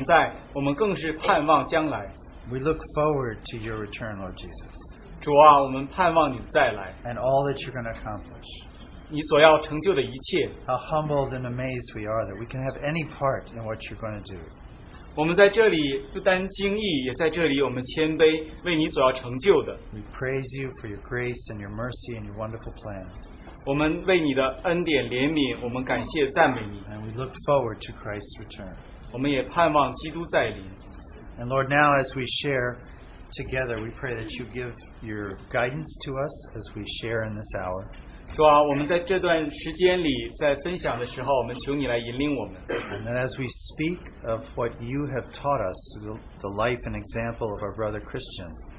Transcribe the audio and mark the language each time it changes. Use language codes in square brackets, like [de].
[zh] 不单我们每天可以享受你的同在，我们更是盼望将来。 [en] We look forward to your return, Lord Jesus. [zh] 主啊, 我们盼望你再来。 [en] And all that you're going to accomplish. [zh] 你所要成就的一切。 [en] How humbled and amazed we are that we can have any part in what you're going to do. [zh] 我们在这里不单惊异，也在这里我们谦卑，为你所要成就的。 [en] We praise you for your grace and your mercy and your wonderful plan. [zh] 我们为你的恩典怜悯，我们感谢赞美你。 [en] And we look forward to Christ's return. [zh] 我们也盼望基督再临。 [en] And Lord, now as we share together, we pray that you give your guidance to us as we share in this hour. [zh] 主啊, 我们在这段时间里在分享的时候，我们求你来引领我们。 [en] And then as we speak of what you have taught us, the life and example of our brother Christian.